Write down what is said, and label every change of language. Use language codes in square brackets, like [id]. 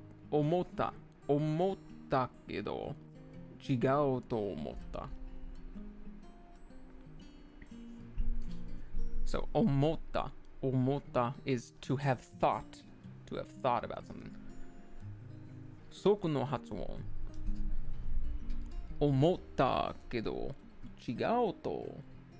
[ja] 思ったけど違うと思った。 [en] So, 思った is to have thought about something. [ja] ソクの発音、思ったけど違うと。